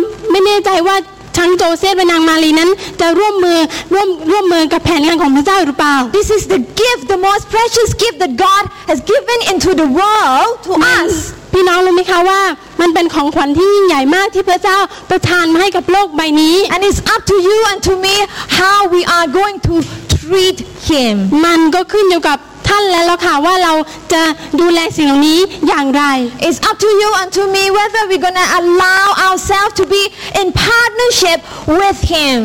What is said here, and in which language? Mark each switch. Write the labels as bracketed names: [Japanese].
[Thai] ไม่แน่ใจว่าทั้งโจเซฟและนางมารีนั้นจะร่วมมือกับแผนงานของพระเจ้าหรือเปล่า [English] This is the gift the most precious gift that God has given into the world to us [Thai] พี่น้องรู้มั้ยคะว่ามันเป็นของขวัญที่ยิ่งใหญ่มากที่พระเจ้าประทานมาให้กับโลกใบนี้ [English] And it's up to you and to me how we are going to treat him [Thai] มันก็ขึ้นอยู่กับท่านแล้วค่ะว่าเราจะดูแลสิ่งเหล่านี้อย่างไร [English] It's up to you and to me whether we're going to allow ourselves to be in partnership with him